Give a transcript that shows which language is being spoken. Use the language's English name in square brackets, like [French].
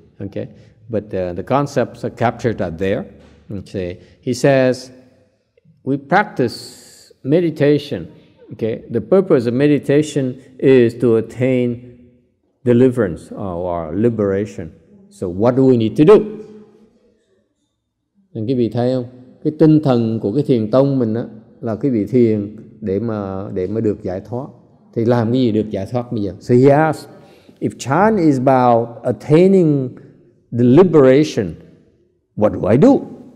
[English] Okay, but the concepts are captured are there. Okay, he says, we practice meditation, okay? The purpose of meditation is to attain deliverance or liberation. So what do we need to do? [Vietnamese] Nên quý vị thấy không? Cái tinh thần của cái thiền tông mình á là quý vị thiền để mà được giải thoát. Thì làm cái gì được giải thoát bây giờ? [English] So he asks, if Chan is about attaining the liberation, what do I do?